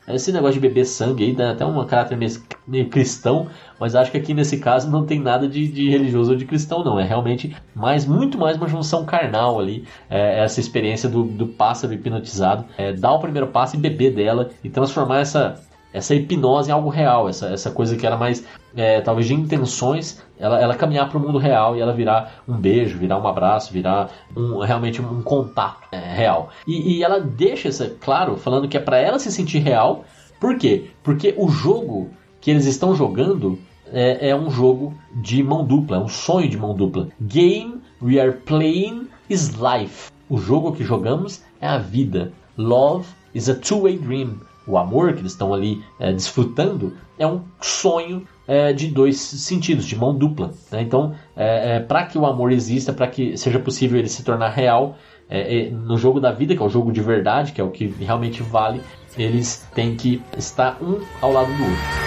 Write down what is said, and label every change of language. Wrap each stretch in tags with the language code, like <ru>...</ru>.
<pt>Esse negócio de beber sangue aí dá até um caráter meio cristão, mas acho que aqui nesse caso não tem nada de religioso ou de cristão, não. É realmente mais, muito mais uma junção carnal ali, essa experiência do pássaro hipnotizado, dar o primeiro passo e beber dela e transformar essa hipnose em algo real, essa coisa que era mais, talvez, de intenções, ela caminhar para o mundo real e ela virar um beijo, virar um abraço, virar realmente um contato real. E ela deixa isso claro, falando que é para ela se sentir real. Por quê? Porque o jogo que eles estão jogando é um jogo de mão dupla, é um sonho de mão dupla.</pt> <en>Game we are playing is life.</en> <pt>O jogo que jogamos é a vida.</pt> <en>Love is a two-way dream.</en> <pt>O amor que eles estão ali desfrutando é um sonho de dois sentidos, de mão dupla, né? Então, para que o amor exista, para que seja possível ele se tornar real, no jogo da vida, que é o jogo de verdade, que é o que realmente vale, eles têm que estar um ao lado do outro.</pt>